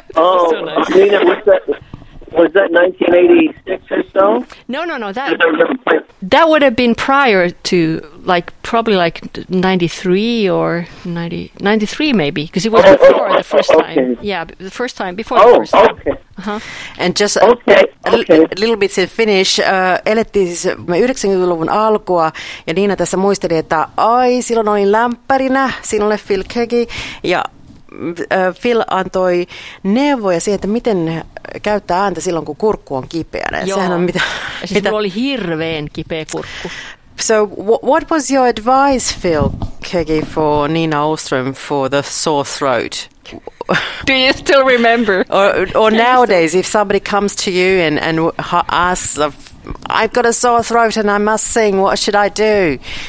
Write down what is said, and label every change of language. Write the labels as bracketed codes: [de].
[en] Oh, so nice. Nina, what's that? Was that 1986 or so? No. That would have been prior to, like, probably like 93 or 93 maybe, because it was before the first time. Okay. Yeah, the first time, before the first time. Okay. Uh-huh. And just a little bit in Finnish. [fi] Elettiin siis 90-luvun alkua, ja Niina tässä muisteli, että ai, silloin olin lämpärinä, sinulle Phil Kegi, ja Phil antoi neuvoja siihen, että miten käyttää ääntä silloin, kun kurkku on kipeänä. Joo. Sehän on mitä, ja siis mulla oli hirveän kipeä kurkku. [en] So what was your advice, Phil Kegi, for Niina Åström for the sore throat? Do you still remember? Or nowadays, if somebody comes to you and asks, I've got a sore throat and I must sing, what should I do?